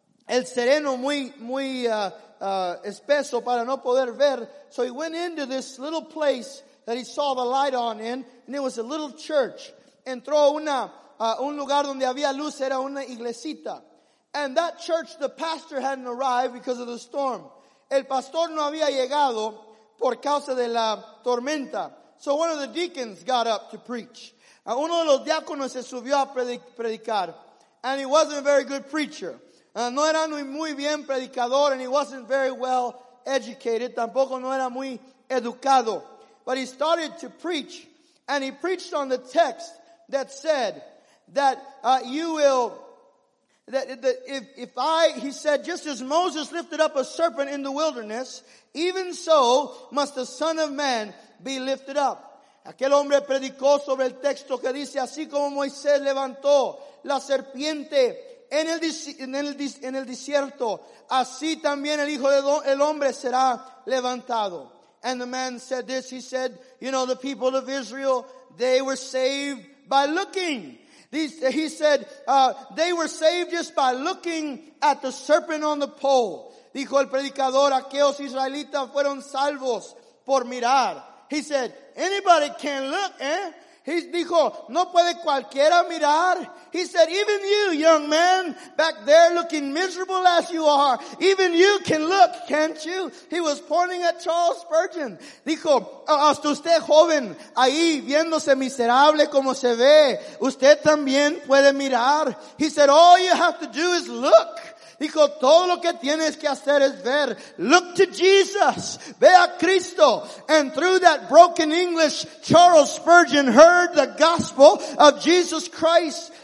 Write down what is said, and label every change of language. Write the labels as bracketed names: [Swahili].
[Spanish] el sereno muy, muy espeso para no poder ver. [English] So he went into this little place that he saw the light on in, and it was a little church. [Spanish] Entró a un lugar donde había luz, era una iglesita. [English] And that church, the pastor hadn't arrived because of the storm. [Spanish] El pastor no había llegado por causa de la tormenta. [English] So one of the deacons got up to preach. [Spanish] Uno de los diáconos se subió a predicar. [English] And he wasn't a very good preacher. [Spanish] No era muy bien predicador, [English] and he wasn't very well educated. [Spanish] Tampoco no era muy educado. [English] But he started to preach, and he preached on the text that said that he said, just as Moses lifted up a serpent in the wilderness, even so must the Son of Man be lifted up. [Spanish] Aquel hombre predicó sobre el texto que dice, así como Moisés levantó la serpiente en el desierto, así también el Hijo del Hombre será levantado. [English] And the man said this, he said, you know, the people of Israel, they were saved by looking. They were saved just by looking at the serpent on the pole. [Spanish] Dijo el predicador, aquellos israelitas fueron salvos por mirar. [English] He said, anybody can look, eh? [Spanish] He dijo, no puede cualquiera mirar. [English] He said, even you, young man, back there looking miserable as you are, even you can look, can't you? He was pointing at Charles Spurgeon. [Spanish] Dijo, hasta usted joven, ahí viéndose miserable como se ve, usted también puede mirar. [English] He said, all you have to do is look. [Spanish] Dijo, todo lo que tienes que hacer es ver. [English] Look to Jesus. [Spanish] Ve a Cristo. [English] And through that broken English, Charles Spurgeon heard the gospel of Jesus Christ.